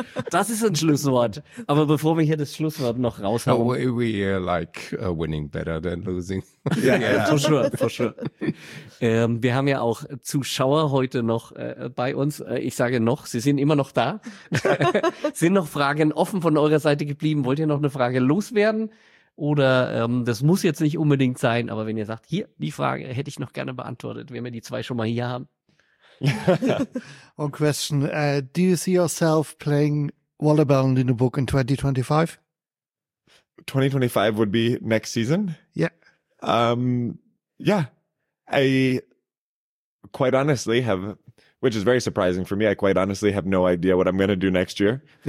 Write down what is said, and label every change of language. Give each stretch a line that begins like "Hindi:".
German: Das ist ein Schlusswort. Aber bevor wir hier das Schlusswort noch raushauen.
English: Oh, we like winning better than losing. Yeah. For sure, for sure.
German: Wir haben ja auch Zuschauer heute noch bei uns. Ich sage noch, sie sind immer noch da. Sind noch Fragen offen von eurer Seite geblieben? Wollt ihr noch eine Frage loswerden? Oder das muss jetzt nicht unbedingt sein, aber wenn ihr sagt, hier, die Frage hätte ich noch gerne beantwortet, wenn wir die zwei schon mal hier haben.
English: One question. Do you see yourself playing Volleyball in the book in 2025? 2025 would be next season? Yeah. Yeah. I quite honestly have, which is very surprising for me, I quite honestly have no idea what I'm going to do next year.